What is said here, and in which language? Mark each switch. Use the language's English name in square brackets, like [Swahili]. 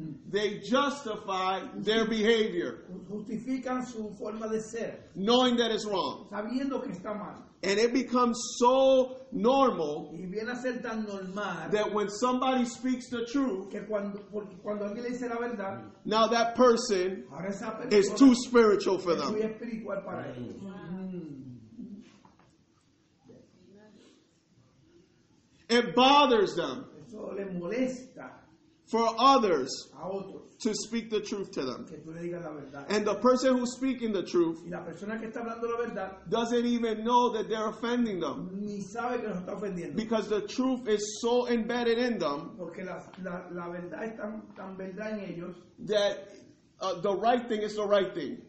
[English] They justify their behavior. [Spanish] Justifican su forma de ser. [English] Knowing that it's wrong. [Spanish] Sabiendo que está mal. [English] And it becomes so normal, [Spanish] y viene a ser tan normal [English] that when somebody speaks the truth, [Spanish] que cuando alguien le dice la verdad, [English] now that person [Spanish] ahora esa persona [English] is too spiritual for them. [Spanish] Muy espiritual para ellos. [English] Wow. It bothers them. [Spanish] Eso le molesta. [English] For others [Spanish] a otros, [English] to speak the truth to them. [Spanish] Que tú le digas la verdad. [English] And the person who's speaking the truth, [Spanish] y la persona que está hablando la verdad, [English] doesn't even know that they're offending them. [Spanish] Ni sabe que los está ofendiendo. [English] Because the truth is so embedded in them, [Spanish] porque la verdad es tan, tan verdad en ellos, [English] that the right thing is the right thing.